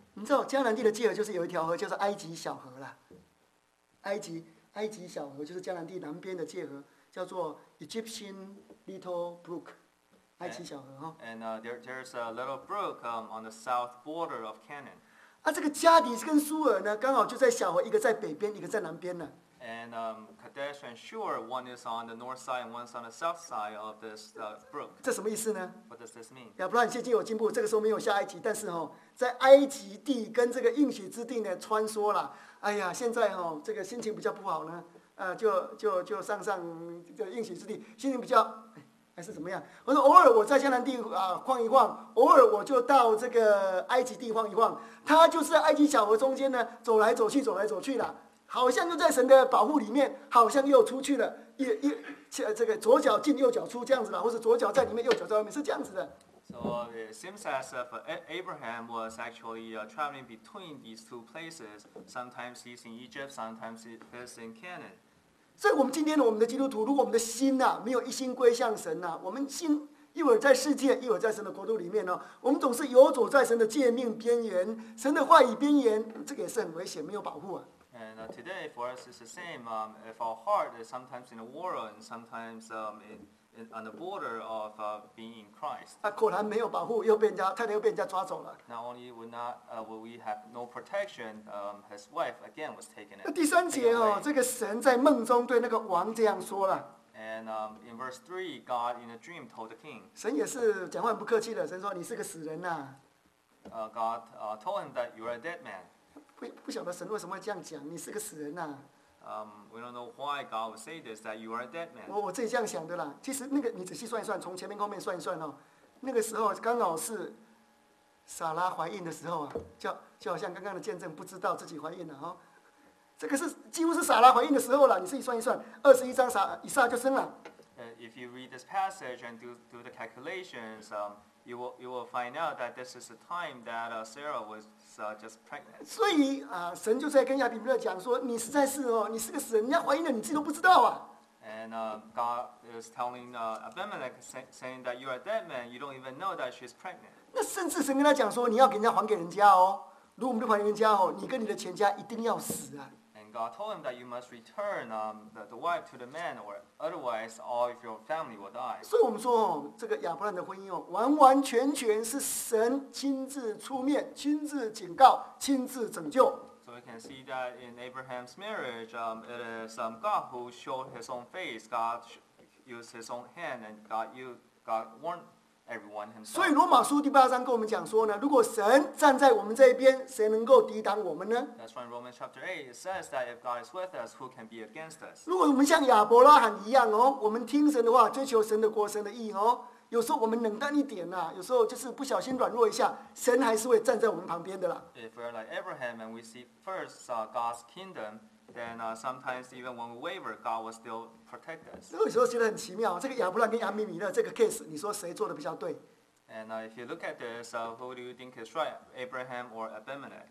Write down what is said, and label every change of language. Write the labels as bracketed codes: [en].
[zh] 你知道迦南地的界河就是有一条河叫做埃及小河了。埃及小河就是迦南地南边的界河，叫做 Egyptian Little Brook。 [en] And there's a little brook on the south border of Canaan. [zh] 啊，这个加底跟苏尔呢，刚好就在小河，一个在北边，一个在南边呢。 [en] And Kadesh and Shur, one is on the north side and one's on the south side of this brook. [zh] 这什么意思呢 [en] ？What does this mean? [zh] 亚伯兰现今有进步，这个时候没有下埃及，但是哈、哦，在埃及地跟这个应许之地呢穿梭了。哎呀，现在哈、哦，这个心情比较不好呢，就上这应许之地，心情比较。还是怎么样？我说偶尔我在迦南地啊晃一晃，偶尔我就到这个埃及地晃一晃。他就是埃及小河中间呢，走来走去，走来走去的，好像就在神的保护里面，好像又出去了，这个左脚进右脚出这样子的，或者左脚在里面，右脚在外面，是这样子的。 [en] So it seems as if Abraham was actually traveling between these two places. Sometimes he's in Egypt, sometimes he's in Canaan. [zh] 所以我们今天的我们的基督徒，如果我们的心啊没有一心归向神啊，我们心一会儿在世界，一会儿在神的国度里面呢、啊，我们总是游走在神的诫命边缘、神的话语边缘，这个也是很危险，没有保护啊。 [en] And today for us is the same. If our heart is sometimes in the world and sometimes on the border of being in Christ. [zh] 啊，果然没有保护，又被人家太太又被人家抓走了。 [en] Not only would not, will we have no protection. His wife again was taken. [zh] 第三节哦，这个神在梦中对那个王这样说了。 [en] And in verse 3, God in a dream told the king. [zh] 神也是讲话很不客气的，神说你是个死人呐、啊。 [en] God told him that you're a dead man. [zh] 不晓得神为什么这样讲，你是个死人呐、啊。 [en] We don't know why God would say this that you are a dead man. [zh] 我自己这样想的啦。其实那个你仔细算一算，从前面后面算一算哦，那个时候刚好是撒拉怀孕的时候啊，就好像刚刚的见证不知道自己怀孕了哦。这个是几乎是撒拉怀孕的时候了。你自己算一算，21章以撒就生了。 [en] If you read this passage and do the calculations, you will find out that this is the time that Sarah was. Just pregnant. [zh] 所以、神就在跟亚比米勒讲说，你实在是哦，你是个死人，人家怀孕了，你自己都不知道啊。 [en] And God is telling Abimelech, saying that you are a dead man, you don't even know that she's pregnant. [zh] 那甚至神跟他讲说，你要给人家还给人家哦，如果我们不还给人家哦，你跟你的全家一定要死啊。 [en] And God told him that you must return the wife to the man, or otherwise all of your family will die. [zh] 所以我们说哦，这个亚伯兰的婚姻哦，完完全全是神亲自出面、亲自警告、亲自拯救。 [en] So we can see that in Abraham's marriage, it is God who showed his own face. God used his own hand, and God warned everyone himself. [zh] 所以罗马书第八章跟我们讲说呢，如果神站在我们这一边，谁能够抵挡我们呢？ [en] That's why in Romans chapter 8, it says that if God is with us, who can be against us? [zh] 如果我们像亚伯拉罕一样哦，我们听神的话，追求神的国、神的义哦。有时候我们冷淡一点啊，有时候就是不小心软弱一下，神还是会站在我们旁边的啦。 [en] If we're like Abraham and we see first God's kingdom, then sometimes even when we waver, God will still protect us. [zh] 有时候觉得很奇妙，这个亚伯兰跟亚米米勒这个 case， 你说谁做的比较对？ [en] And if you look at this, who do you think is right, Abraham or Abimelech?